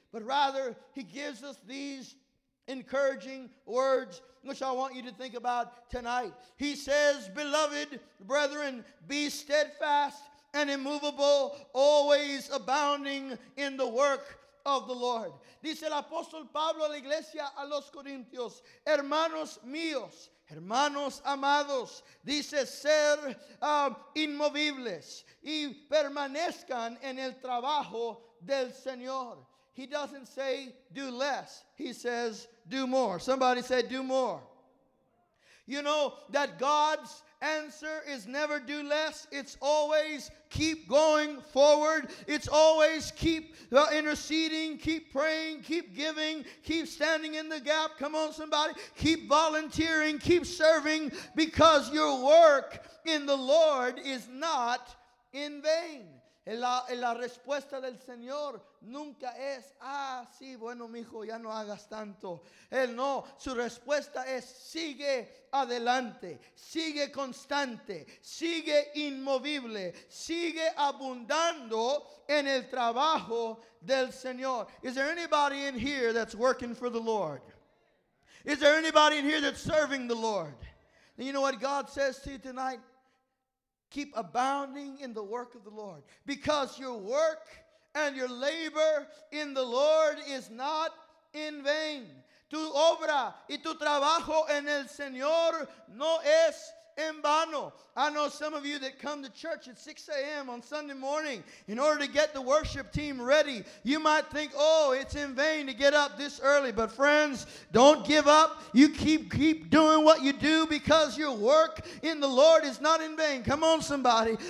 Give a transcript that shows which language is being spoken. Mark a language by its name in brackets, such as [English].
[English] But rather, he gives us these encouraging words, which I want you to think about tonight. He says, beloved brethren, be steadfast and immovable, always abounding in the work of the Lord. [Spanish] Dice el apóstol Pablo a la iglesia, a los corintios, hermanos míos, hermanos amados, dice ser inmovibles y permanezcan en el trabajo del Señor. [English] He doesn't say do less. He says do more. Somebody say do more. You know that God's answer is never do less. It's always keep going forward. It's always keep interceding, keep praying, keep giving, keep standing in the gap. Come on, somebody. Keep volunteering, keep serving, because your work in the Lord is not in vain. [Spanish] La respuesta del Señor nunca es, ah, sí, bueno, mijo, ya no hagas tanto. Él no, su respuesta es, sigue adelante, sigue constante, sigue inmovible, sigue abundando en el trabajo del Señor. [English] Is there anybody in here that's working for the Lord? Is there anybody in here that's serving the Lord? And you know what God says to you tonight? Keep abounding in the work of the Lord, because your work and your labor in the Lord is not in vain. [Spanish] Tu obra y tu trabajo en el Señor no es en vano. [English] I know some of you that come to church at 6 a.m. on Sunday morning in order to get the worship team ready. You might think, oh, it's in vain to get up this early. But friends, don't give up. You keep doing what you do, because your work in the Lord is not in vain. Come on, somebody.